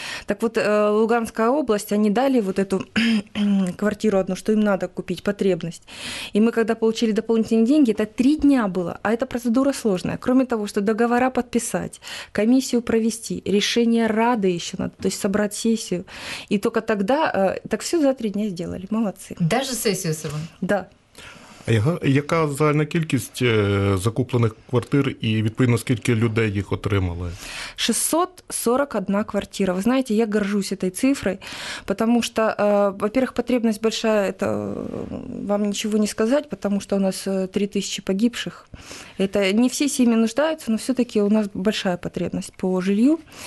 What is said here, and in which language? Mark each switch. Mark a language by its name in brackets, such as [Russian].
[Russian] Так вот, Луганская область, они дали вот эту квартиру одну, что им надо купить, потребность. И мы, когда получили дополнительные деньги, это 3 дня было, а эта процедура сложная. Кроме того, что договора подписать, комиссию провести, решение Рады еще надо, то есть собрать сессию. И только тогда, так все за 3 дня сделали, молодцы. Даже сессию собрали? Да. [Ukrainian] Яка загальна кількість закуплених квартир і, відповідно, скільки людей їх отримали? 641 квартира. Ви знаєте, [Russian] я горжусь этой цифрой, потому что, во-первых, потребность большая, это вам ничего не сказать, потому что у нас 3000 погибших. Это не все семьи нуждаются, но все-таки у нас большая потребность по жилью.